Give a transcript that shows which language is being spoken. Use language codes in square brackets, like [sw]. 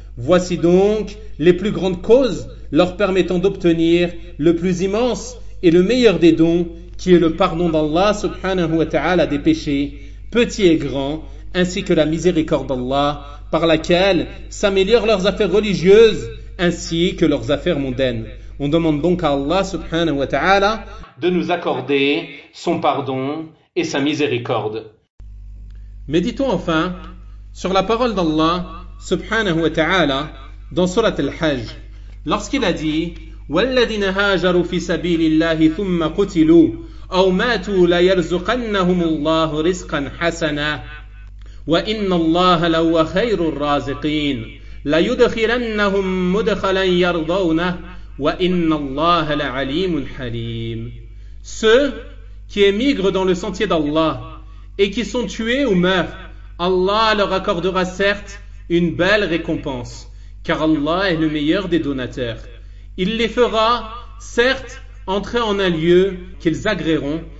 [fr] Voici donc les plus grandes causes leur permettant d'obtenir le plus immense et le meilleur des dons, qui est le pardon d'Allah subhanahu wa ta'ala des péchés, petits et grands, ainsi que la miséricorde d'Allah par laquelle s'améliorent leurs affaires religieuses ainsi que leurs affaires mondaines. On demande donc à Allah subhanahu wa ta'ala de nous accorder son pardon et sa miséricorde. Méditons enfin sur la parole d'Allah subhanahu wa ta'ala dans surat al-Hajj, lorsqu'il a dit: [ar] وَالَّذِينَ هَاجَرُوا فِي سَبِيلِ اللَّهِ ثُمَّ قُتِلُوا أَوْ مَاتُوا لَيَرْزُقَنَّهُمُ اللَّهُ رِزْقًا حَسَنًا وَإِنَّ اللَّهَ لَهُوَ خَيْرُ الرَّازِقِينَ لَيُدْخِلَنَّهُمْ مُدْخَلًا يَرْضَوْنَهُ وَإِنَّ اللَّهَ لَعَلِيمٌ حَلِيمٌ. [fr] Ceux qui émigrent dans le sentier d'Allah et qui sont tués ou meurent, Allah leur accordera certes une belle récompense, car Allah est le meilleur des donateurs. Il les fera certes entrer en un lieu qu'ils agréeront